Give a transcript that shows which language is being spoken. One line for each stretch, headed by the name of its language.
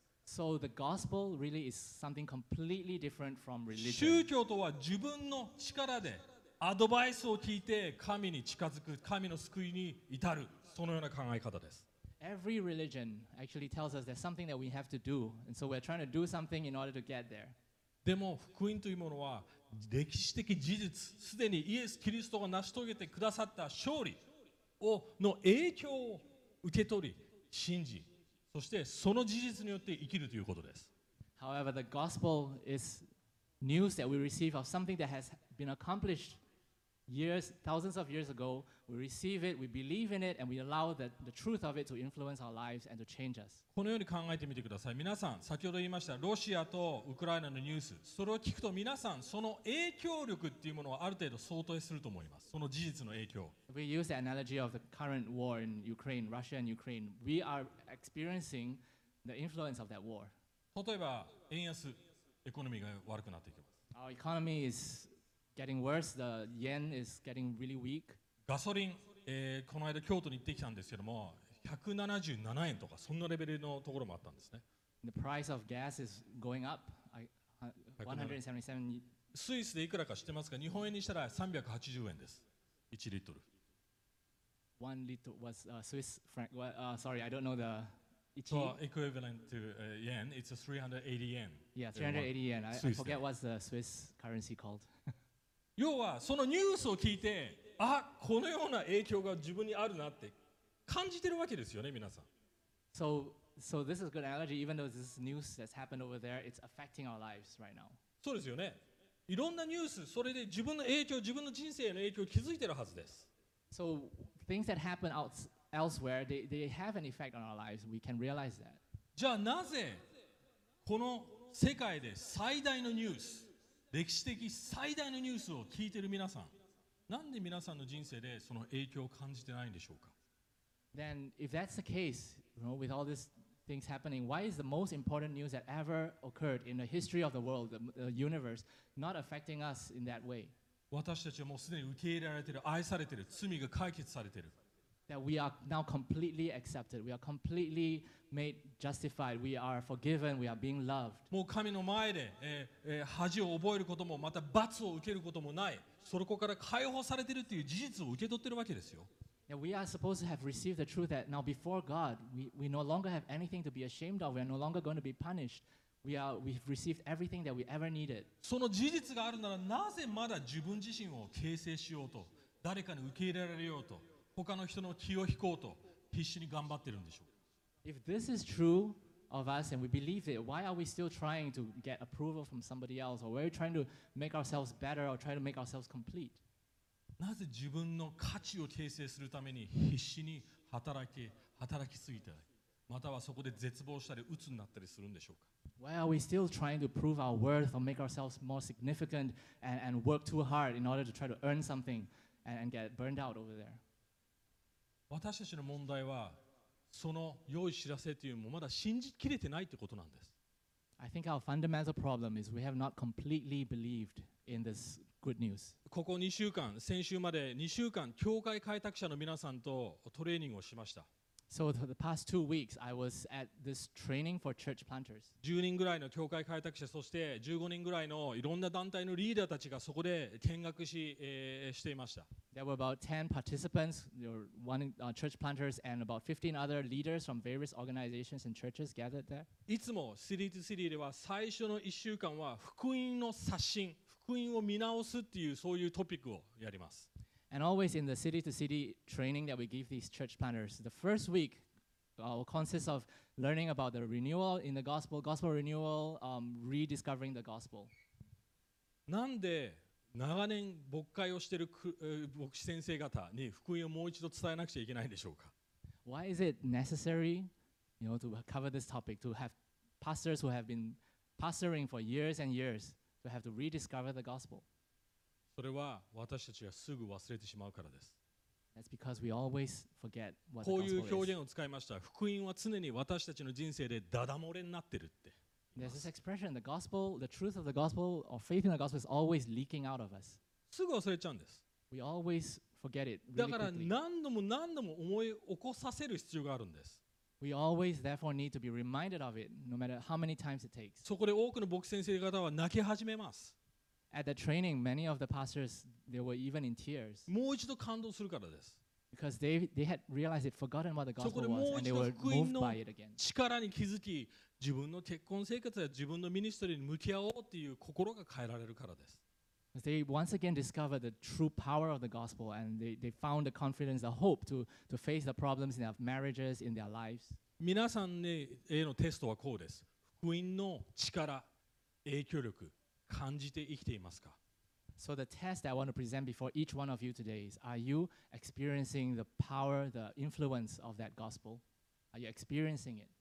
English: So the gospel really is something completely different from religion.
Japanese: 宗教とは自分の力でアドバイスを聞いて神に近づく、神の救いに至る、そのような考え方です。
English: Every religion actually tells us there's something that we have to do, and so we're trying to do something in order to get there.
Japanese: でも福音というものは歴史的事実、すでにイエス・キリストが成し遂げてくださった勝利をの影響を受け取り、信じ、そしてその事実によって生きるということです。
English: However, the gospel is news that we receive of something that has been accomplished. Years, thousands of years ago, we receive it, we believe in it, and we allow the truth of it to influence our lives and to change us.
Japanese: このように考えてみてください。皆さん、先ほど言いましたロシアとウクライナのニュース、それを聞くと皆さん、その影響力っていうものはある程度相当すると思います。その事実の影響。
English: We use the analogy of the current war in Ukraine, Russia and Ukraine. We are experiencing the influence of that war.
Japanese: 例えば、円安、エコノミーが悪くなっていきます。
English: Our economy isGetting worse, the yen is getting really weak.
Japanese: ガソリン、この間京都に行ってきたんですけども、177円とかそんなレベルのところもあったんですね。
English: The price of gas is going up. 177.
Japanese: スイスでいくらか知ってますか？日本円にしたら380円です。 1リットル。
English: One liter was Swiss franc. Sorry, I don't know the. So equivalent to yen, it's a 380 yen. Yeah, 380 yen. I forget what's the Swiss currency called.
Japanese: 要はそのニュースを聞いて、あ、このような影響が自分にあるなって感じてるわけですよね、皆さん。
English: So this is a good analogy. Even though this news has happened over there, it's affecting our lives right now.
Japanese: そうですよね。いろんなニュース、それで自分の影響、自分の人生への影響を気づいてるはずです。
English: So things that happen out elsewhere, they have an effect on our lives. We can realize that.
Japanese: じゃあなぜこの世界で最大のニュース、歴史的最大のニュースを聞いている皆さん、なんで皆さんの人生でその影響を感じてないんでしょうか?
English: Then, if that's the case, you know, with all these things happening, why is the most important news that ever occurred in the history of the world, the universe, not affecting us in that way?
Japanese: 私たちはもうすでに受け入れられている、愛されている、罪が解決されている。
English: That we are now completely accepted. We are completely made justified. We are forgiven. We are being loved.
Japanese: もう神の前で、恥を覚えることもまた罰を受けることもない。そこから解放されているという事実を受け取っているわけですよ。
English: Yeah, we are supposed to have received the truth that now before God, we no longer have anything to be ashamed of. We are no longer going to be punished. We've received everything that we ever needed.
Japanese: その事実があるならなぜまだ自分自身を形成しようと、誰かに受け入れられようと、他の人の気を引こうと必死に頑張ってるんでしょう。
English: If this is true of us and we believe it, why are we still trying to get approval from somebody else? Or we're trying to make ourselves better or try to make ourselves complete?
Japanese: なぜ自分の価値を形成するために必死に働きすぎたり、またはそこで絶望したり鬱になったりするんでしょうか。
English: Why are we still trying to prove our worth or make ourselves more significant and work too hard in order to try to earn something and get burned out over there?
Japanese: 私たちの問題はその良い知らせというのもまだ信じきれてないということなんです。
English: I think our fundamental problem is we have not completely believed in this good news.
Japanese: ここ2週間、先週まで2週間、教会開拓者の皆さんとトレーニングをしました。
English: So for the past two weeks, I was at this training for church planters.
Japanese: 10人ぐらいの教会開拓者、そして15人ぐらいのいろんな団体のリーダーたちがそこで見学し、していました。
English: There were about 10 participants, church planters, and about 15 other leaders from various organizations and churches gathered there.
Japanese: いつも City to City では最初の1週間は福音の刷新、福音を見直すっていうそういうトピックをやります。
English: And always in the city-to-city training that we give these church planters, the first week consists of learning about the renewal in the gospel, gospel renewal, rediscovering the gospel.
Japanese: なんで長年牧会をしている牧師先生方に福音をもう一度伝えなくちゃいけないんでしょうか?
English: Why is it necessary, you know, to cover this topic, to have pastors who have been pastoring for years and years to have to rediscover the gospel?
Japanese: それは私たちがすぐ忘れてしまうからです。
English: That's because we always forget what the gospel is.
Japanese: こういう表現を使いました。福音は常に私たちの人生でダダ漏れになってるって。
English: There's this expression, the gospel, the truth of the gospel, or faith in the gospel is always leaking out of us.
Japanese: すぐ忘れちゃうんです。
English: We always forget it.
Japanese: だから何度も何度も思い起こさせる必要があるんです。
English: We always therefore need to be reminded of it, no matter how many times it takes.
Japanese: そこで多くの牧師先生方は泣き始めます。
English: At the training, many of the pastors, they were even in tears.
Japanese: もう一度感動するからです。
English: Because they had realized they'd forgotten what the gospel was, and they were moved by it again.
Japanese: 力に気づき、自分の結婚生活や自分のミニストリーに向き合おうっていう心が変えられるからです。
English: They once again discovered the true power of the gospel, and they found the confidence, the hope to face the problems in their marriages, in their lives.
Japanese: 皆さんへのテストはこうです。福音の力、影響力。感じて生きていますか?
English: So the test that I want to present before each one of you today is, are you experiencing the power, the influence of that gospel? Are you experiencing it?